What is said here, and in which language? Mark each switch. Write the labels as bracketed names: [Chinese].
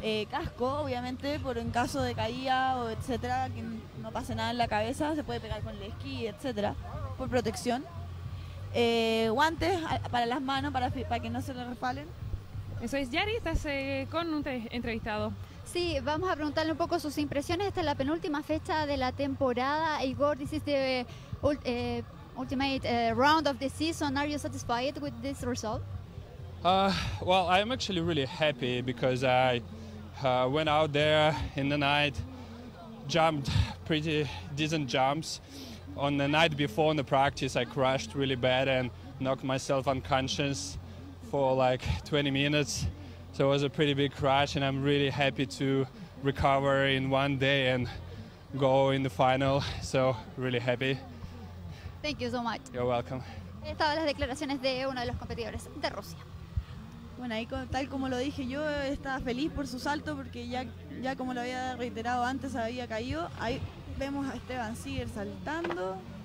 [Spanish] Casco, obviamente, por en caso de caída o etcétera, que no pase nada en la cabeza, se puede pegar con el esquí, etcétera, por protección. Guantes para las manos, para que no se le resbalen. Eso es, Yari, estás con un entrevistado. Sí, vamos a preguntarle un poco sus impresiones. Esta es la penúltima fecha de la temporada. [English] Igor, this is the ultimate round of the season. Are you satisfied with this result? Well, I'm actually really happy because I went out there in the night, jumped pretty decent jumps. On the night before in the practice, I crashed really bad and knocked myself unconscious for like 20 minutes. So it was a pretty big crash, and I'm really happy to recover in one day and go in the final. So really happy. Thank you so much. You're welcome. [Spanish] Estaban las declaraciones de uno de los competidores de Rusia. Bueno, ahí tal como lo dije yo, estaba feliz por su salto porque ya como lo había reiterado antes, había caído. Ahí vemos a Esteban Siger saltando.